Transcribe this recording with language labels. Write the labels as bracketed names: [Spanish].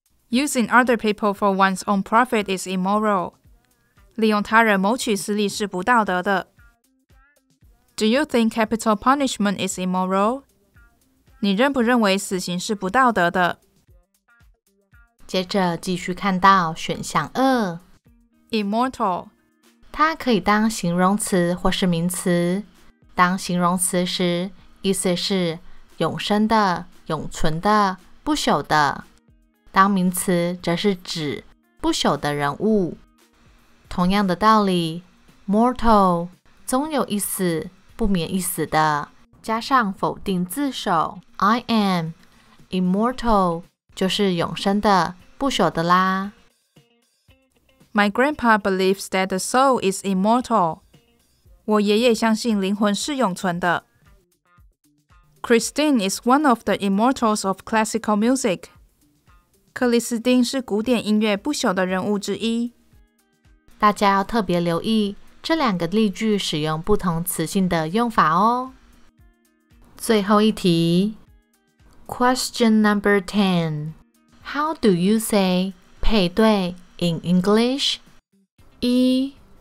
[English] Using other people for one's own profit is immoral. [Chinese] 利用他人谋取私利是不道德的。 [English] Do you think capital punishment is immoral? [Chinese] 你认不认为死刑是不道德的？接着继续看到选项二 [English] ，immortal， [Chinese] 它可以当形容词或是名词。当形容词时，意思是永生的、永存的、不朽的；当名词则是指不朽的人物。同样的道理 ，mortal， 总有一死，不免一死的。加上否定自首 [English] I am immortal [Chinese] 就是永生的不朽的啦 [English] My grandpa believes that the soul is immortal [Chinese] 我爷爷相信灵魂是永存的 [English] Christine is one of the immortals of classical music. [Chinese] 克里斯汀是古典音乐不朽的人物之一。大家要特别留意这两个例句使用不同词性的用法哦。最后一题 [English] Question number 10 How do you say 配对 in English? 一